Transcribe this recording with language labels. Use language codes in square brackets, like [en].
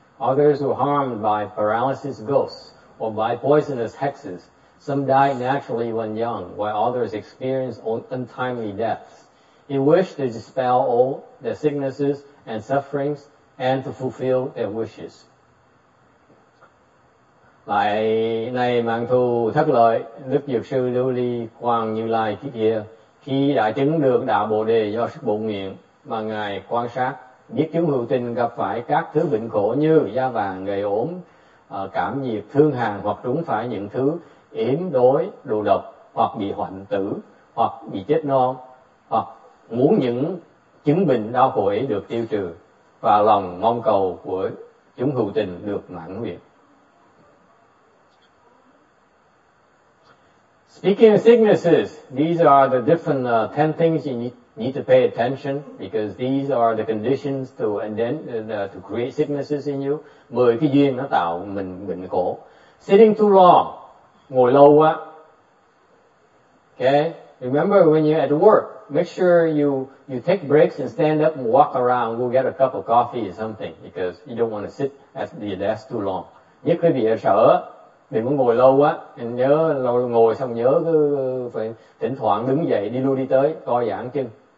[en] Others were harmed by paralysis ghosts or by poisonous hexes. Some died naturally when young, while others experienced untimely deaths. He wished to dispel all their sicknesses and sufferings and to fulfill their wishes. [vi] Lại này mạng thù thất lợi, Đức Dược Sư Lưu Ly Quang Như Lai kia, khi đã chứng được đạo Bồ Đề do sức bổn nguyện mà Ngài quan sát, biết chúng hữu tình gặp phải các thứ bệnh khổ như da vàng, gầy ốm, cảm nhiệt, thương hàn, hoặc trúng phải những thứ yếm đối, đồ độc, hoặc bị hoạn tử, hoặc bị chết non, hoặc muốn những chứng bệnh đau khổ ấy được tiêu trừ, và lòng mong cầu của chúng hữu tình được mãn nguyện. [en] Speaking of sicknesses, these are the different 10 things you need to pay attention, because these are the conditions to create sicknesses in you. [vi] 10 cái duyên nó tạo mình bệnh khổ. [en] Sitting too long, [vi] ngồi lâu quá. [en] Okay? Remember when you're at work, make sure you take breaks and stand up and walk around, go get a cup of coffee or something, because you don't want to sit at the desk too long. [vi] Nhất quý vị ở sở, mình muốn ngồi lâu á, mình nhớ lâu ngồi xong nhớ cứ phải thỉnh thoảng đứng dậy đi lui đi tới co giãn chân.